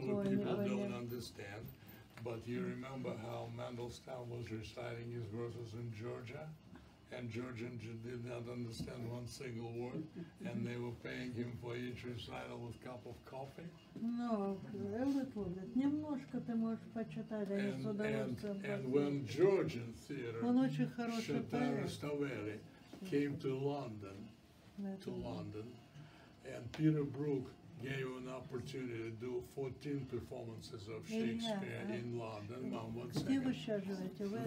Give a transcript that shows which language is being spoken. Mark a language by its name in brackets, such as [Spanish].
[English] people don't understand, but you remember how Mandelstam was reciting his verses in Georgia, and Georgian did not understand one single word, and they were paying him for each recital with a cup of coffee? No, a little bit. [Russian] Немножко ты можешь почитать, а не с удовольствием. [English] And when Georgian theater, Shatara Staveli, came to London, and Peter Brook gave an opportunity to do 14 performances of Shakespeare in London. Mom, one second. [Russian] Где вы сейчас живете?